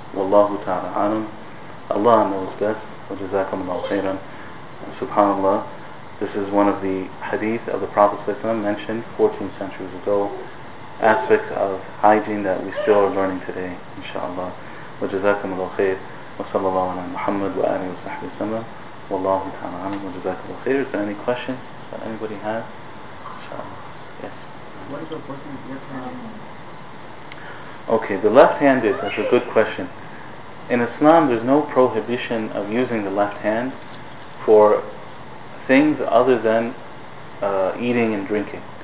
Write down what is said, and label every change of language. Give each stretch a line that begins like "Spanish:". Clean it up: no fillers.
Arabic: Wallahu ta'ala anum.
English: Allah knows best.
Arabic: Wa jazakum Allah khairan. SubhanAllah.
English: This is one of the hadith of the Prophet ﷺ mentioned 14 centuries ago. Aspects of hygiene that we still are learning today, inshaAllah.
Arabic: Wa jazakum Allah khair. وصلى الله على محمد وآل وصحبه وسلم والله تعالى عنه وجزاك الله خير.
English: Is there any questions that anybody has? InshaAllah. Yes. What is the person's left hand? Okay, the left handed, that's a good question. In Islam, there's no prohibition of using the left hand for things other than eating and drinking.